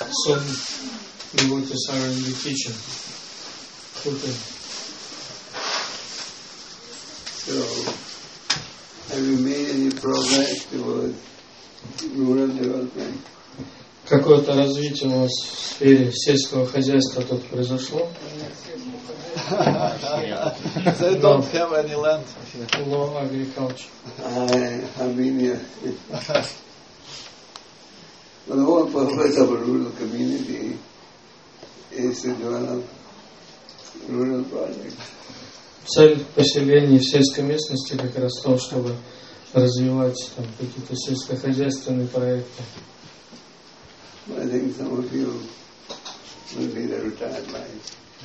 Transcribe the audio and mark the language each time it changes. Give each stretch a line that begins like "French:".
English: Some we want to serve in the kitchen. Okay. So, have you made any progress towards rural development?
Russian: Какое-то развитие у нас в сфере сельского хозяйства тут произошло?
English: They don't have any land. No agriculture. I have been here. But the whole purpose of a rural community is to develop rural projects.
Russian: Цель поселения в сельской местности как раз то, чтобы развивать там какие-то сельскохозяйственные проекты.
English: I think some of you will be the retired life.